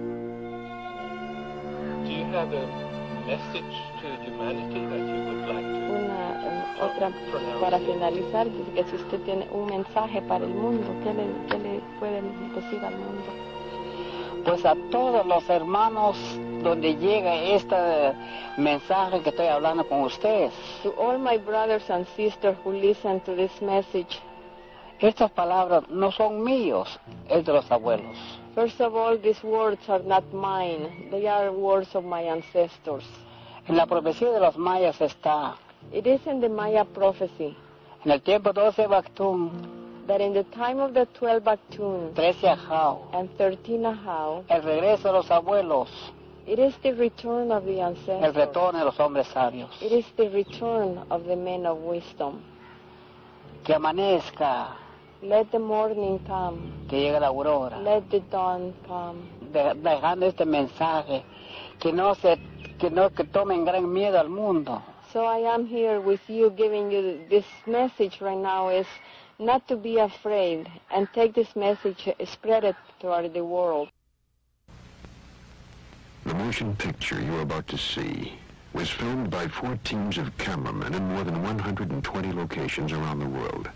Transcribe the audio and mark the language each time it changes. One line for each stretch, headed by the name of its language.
English: have a message to humanity that you would like to...
Spanish: Otra, para finalizar, que si usted tiene un mensaje para el mundo, ¿qué le puede decir al mundo? Pues a todos los hermanos donde llega este mensaje que estoy hablando con ustedes.
English: To all my brothers and sisters who listen to this message.
Spanish: Estas palabras no son míos, es de los abuelos.
English: First of all, these words are not mine. They are words of my ancestors.
Spanish: En la profecía de los mayas está...
English: It is in the Maya prophecy.
Spanish: En el tiempo 12 Bactún,
English: that in the time of the 12 Bactún,
Spanish: 13 Ajau,
English: and 13 Ajau,
Spanish: el regreso de los abuelos,
English: it is the return of the ancestors.
Spanish: El retorno de los hombres sabios.
English: It is the return of the men of wisdom.
Spanish: Que amanezca.
English: Let the morning come.
Spanish: Que llegue la aurora.
English: Let the dawn come.
Spanish: Dejando este mensaje, que tomen gran miedo al mundo.
English: So I am here with you, giving you this message right now, is not to be afraid and take this message, spread it throughout the world. The motion picture you're about to see was filmed by four teams of cameramen in more than 120 locations around the world.